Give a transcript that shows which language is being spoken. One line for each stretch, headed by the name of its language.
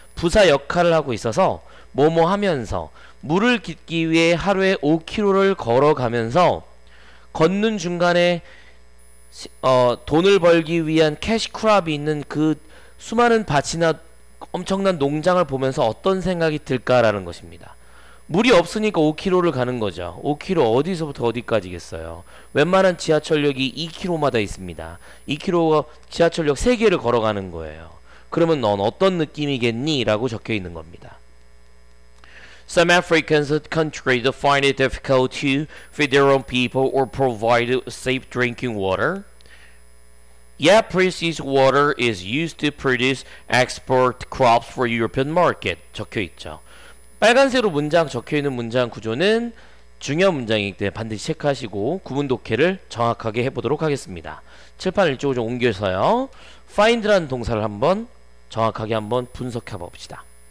Korean: 부사 역할을 하고 있어서 뭐뭐 하면서 물을 깃기 위해 하루에 5km를 걸어가면서 걷는 중간에 돈을 벌기 위한 캐시 크롭이 있는 그 수많은 밭이나 엄청난 농장을 보면서 어떤 생각이 들까라는 것입니다. 물이 없으니까 5km를 가는 거죠. 5km 어디서부터 어디까지겠어요? 웬만한 지하철역이 2km마다 있습니다. 2km가 지하철역 3개를 걸어가는 거예요. 그러면 넌 어떤 느낌이겠니? 라고 적혀 있는 겁니다.
English: Some Africans in the country find it difficult to feed their own people or provide safe drinking water. Yet, precious water is used to produce export crops for European market.
Korean: 적혀 있죠. 빨간색으로 문장 적혀 있는 문장 구조는 중요한 문장이기 때문에 반드시 체크하시고 구문 독해를 정확하게 해보도록 하겠습니다. 칠판을 이쪽으로 좀 옮겨서요. find라는 동사를 한번 정확하게 한번 분석해 봅시다.